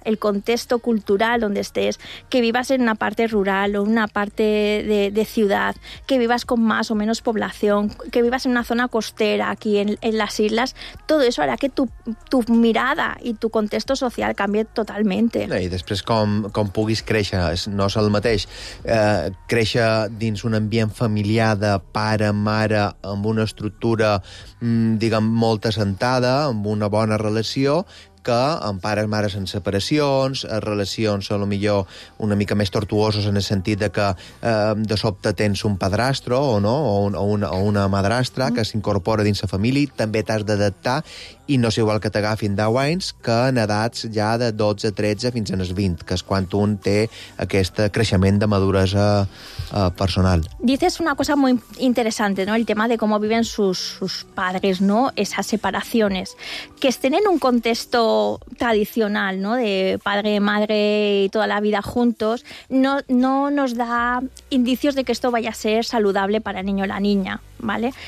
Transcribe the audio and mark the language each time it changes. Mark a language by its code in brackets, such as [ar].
[es] El contexto cultural donde estés, que vivas en una parte rural o una parte de ciudad, que vivas con más o menos población, que vivas en una zona costera aquí en las islas, todo eso hará que tu mirada y tu contexto social cambie totalmente. [ca] I després com puguis créixer, no és el mateix créixer dins un ambient familiar de pare, mare, amb una estructura, diguem, molt assentada, amb una bona relació, que amb pares, mares en separacions, relacions a lo millor una mica més tortuoses en el sentit de que de sobte tens un padrastro o no, o una madrastra que s'incorpora dins la família, també t'has d'adaptar, i no és igual que t'agafin 10 anys que en edats ja de 12, 13 fins en els 20, que és quan un té aquest creixement de maduresa personal. [es] Dices una cosa muy interesante, ¿no? El tema de cómo viven sus padres, ¿no? Esas separaciones. Que estén en un contexto tradicional, ¿no? De padre, madre y toda la vida juntos, no nos da indicios de que esto vaya a ser saludable para el niño o la niña, ¿vale?